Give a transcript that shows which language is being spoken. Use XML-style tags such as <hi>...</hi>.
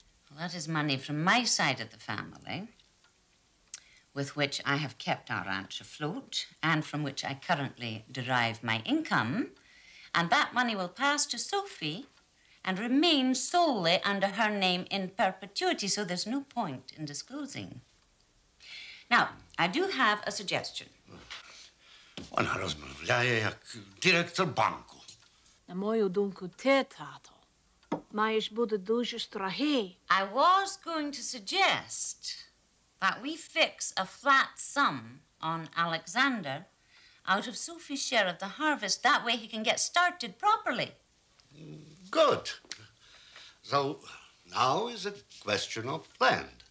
<en>Well, that is money from my side of the family, with which I have kept our ranch afloat and from which I currently derive my income. And that money will pass to Sophie and remain solely under her name in perpetuity, so there's no point in disclosing. Now, I do have a suggestion.</en> <uk>Вона розмовляє як директор банку. На мою думку, ти, тато, маєш бути дуже строгий.</uk> <en>I was going to suggest that we fix a flat sum on Alexander out of Sophie's share of the harvest. That way he can get started properly. Good. So now is a question of land.</en>